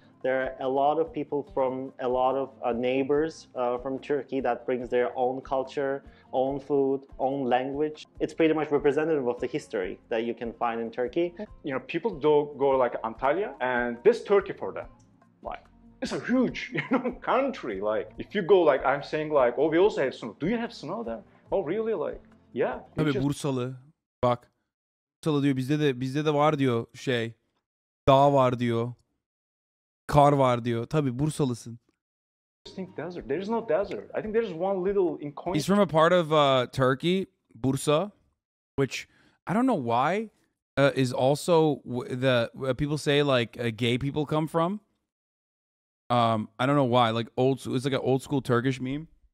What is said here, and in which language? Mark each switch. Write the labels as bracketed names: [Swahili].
[English] There are a lot of people from a lot of neighbors from Turkey that brings their own culture, own food, own language. It's pretty much representative of the history that you can find in Turkey. You know, people go like Antalya, and this Turkey for them, like, it's a huge, you know, country. Like, if you go, like, I'm saying, like, oh, we also have snow. Do you have snow there? Oh, really? Like, yeah. [Turkish] Tabii Bursalı, bak, Bursalı diyor, bizde de var diyor şey, dağ var diyor, kar var diyor. Tabii Bursalısın. [English] I think desert. There's no desert. I think there's one little in coin. He's from a part of Turkey, Bursa, which I don't know why is also the people say like gay people come from. I don't know why. Like old, it's like an old school Turkish meme.